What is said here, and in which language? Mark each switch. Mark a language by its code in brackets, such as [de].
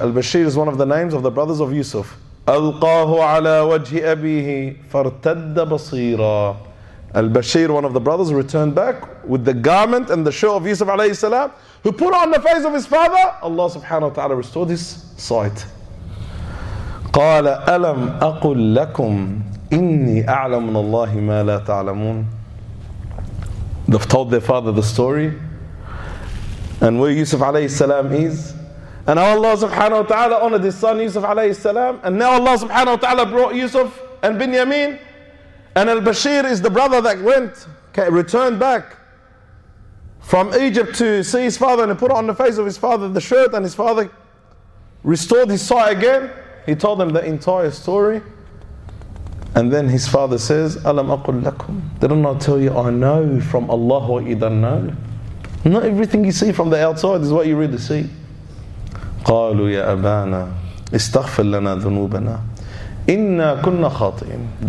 [en] Al-Bashir is one of the names of the brothers of Yusuf. [ar] أَلْقَاهُ عَلَى وَجْهِ أَبِيهِ فَارْتَدَّ بَصِيرًا. [en] Al-Bashir, one of the brothers, returned back with the garment and the shirt of Yusuf alayhi salam, who put it on the face of his father. Allah subhanahu wa ta'ala restored his sight. [ar] قَالَ أَلَمْ أَقُلْ لَكُمْ إني أعلم من الله ما لا تعلمون. [en] They've told their father the story and where Yusuf alayhi salam is, and how Allah subhanahu wa ta'ala honored his son Yusuf alayhi salam, and now Allah subhanahu wa ta'ala brought Yusuf and Binyamin, and Al-Bashir is the brother that returned back from Egypt to see his father, and he put on the face of his father the shirt, and his father restored his sight again. He told them the entire story. And then his father says, [ar] Alam aqul lakum. [en] Didn't I tell you I know from Allah wa idan know? Not everything you see from the outside is what you really see. [ar] قالوا يا أبانا استغفر لنا ذنوبنا إنا كنا خاطئين.